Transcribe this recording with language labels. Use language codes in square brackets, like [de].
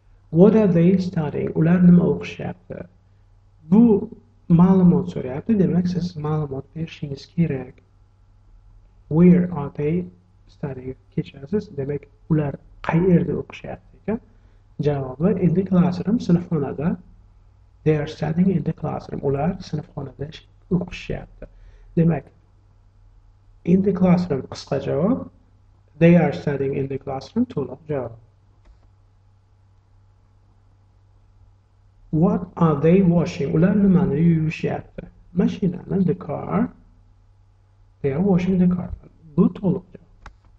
[en] What are they studying? [uz] Ular nima o'qishyapti? Bu ma'lumot so'rayapti, demak, siz ma'lumot berishingiz kerak. [en] Where are they studying? [uz] Kechasiz, demak, ular qayerda o'qishyapti ekan? Javobi [en] in the classroom, [uz] sinfxonada. [en] They are studying in the classroom. [uz] Ular sinfxonada o'qishyapti. Demak, [en] in the classroom [uz] qisqa javob. [en] They are studying in the classroom [uz] to'liq javob. [en] What are they washing? [uz] Ular nimani yuvishyapti? Mashinani, [en] the car. They are washing the car. [uz] Bu to'liq javob.